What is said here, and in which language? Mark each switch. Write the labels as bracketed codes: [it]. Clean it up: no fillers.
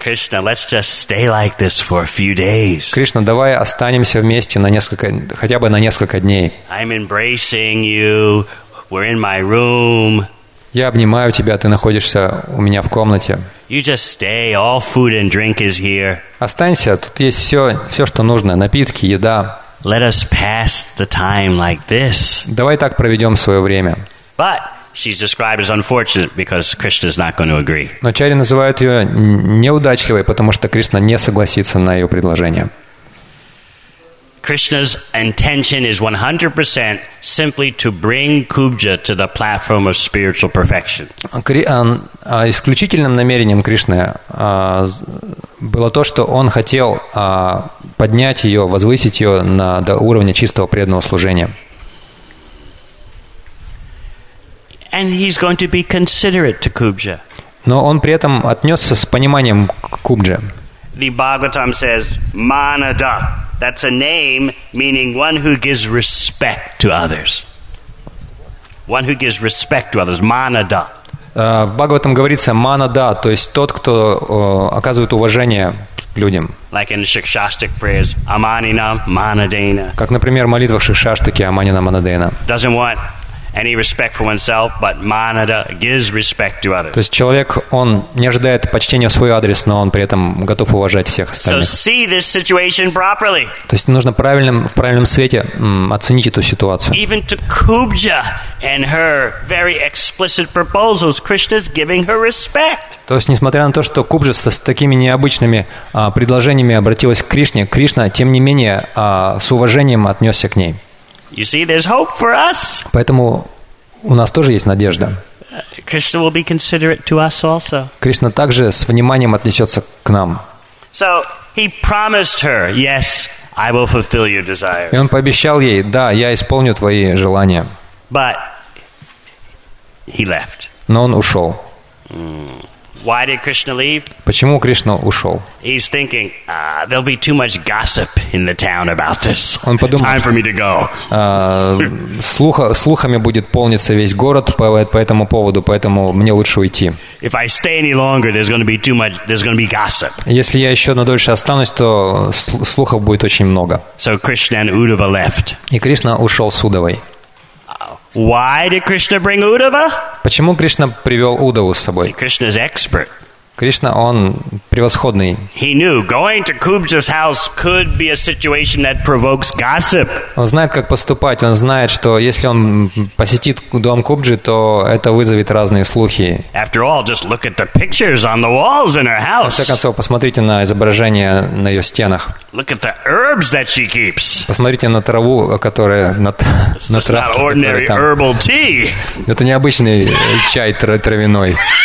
[en] Krishna, let's just stay like this for a few days. [ru] Кришна, давай останемся вместе на несколько, хотя бы на несколько дней. [en] I'm embracing you. We're in my room. [ru] Я обнимаю тебя, ты находишься у меня в комнате. [en] You just stay. All food and drink is here. [ru] Останься, тут есть все, все, что нужно. Напитки, еда. [en] Let us pass the time like this. [ru] Давай так проведем свое время. [en] But she's described as unfortunate because Krishna is not going to agree. [ru] Но Чари называют ее неудачливой, потому что Кришна не согласится на ее предложение. [en] Krishna's intention is 100% simply to bring Kubja to the platform of spiritual perfection. [ru] Исключительным намерением Кришны было то, что он хотел поднять ее, возвысить ее на до уровня чистого преданного служения. [en] And he's going to be considerate to Kubja. [ru] Но он при этом отнесся с пониманием к Кубже. [en] The Bhagavatam says Manada. That's a name meaning one who gives respect to others. One who gives respect to others. Manada. [ru] В Бхагаватам говорится Manada, то есть тот, кто оказывает уважение людям. [en] Like in Shikshastic prayers, Amanina Manadena. [ru] Как, например, в молитвах Шикшаштики Аманина Манадена. [en] Doesn't want any respect for oneself, but Manada gives respect to others. [ru] То есть человек, он не ожидает почтения в свой адрес, но он при этом готов уважать всех остальных. [en] So see this situation properly. [ru] То есть нужно в правильном свете оценить эту ситуацию. [en] Even to Kubja and her very explicit proposals, Krishna's giving her respect. [ru] То есть несмотря на то, что Кубджа с такими необычными предложениями обратилась к Кришне, Кришна тем не менее с уважением отнесся к ней. [en] You see, there's hope for us. [ru] Поэтому у нас тоже есть надежда. [en] Krishna will be considerate to us also. [ru] Кришна также с вниманием отнесется к нам. [en] So he promised her, yes, I will fulfill your desire. [ru] И он пообещал ей, да, я исполню твои желания. [en] But he left. [ru] Но он ушел. [en] Why did Krishna leave? [ru] Почему Кришна ушел? [en] He's thinking, there'll be too much gossip in the town about this. [ru] Он подумал, [en] time for me to go. [ru] Слухами будет полниться весь город по этому поводу, поэтому мне лучше уйти. [en] If I stay any longer, there's going to be gossip. [ru] Если я еще надольше останусь, то слухов будет очень много. [en] So Krishna and Uddhava left. [ru] И Кришна ушел с Уддхавой. [en] Why did Krishna bring Uddhava? [ru] Почему Кришна привел Уддхаву с собой? [en] Krishna is expert. [ru] Кришна, он превосходный. [en] He knew going to Kubja's house could be a situation that provokes gossip. [ru] Он знает, как поступать. Он знает, что если он посетит дом Кубджи, то это вызовет разные слухи. [en] After all, just look at the pictures on the walls in her house. [ru] В конце концов, посмотрите на изображения на ее стенах. [en] Look at the herbs that she keeps. [ru] Посмотрите на траву, которая на травке. [en] It's not ordinary herbal tea. [ru] Это не обычный чай травяной.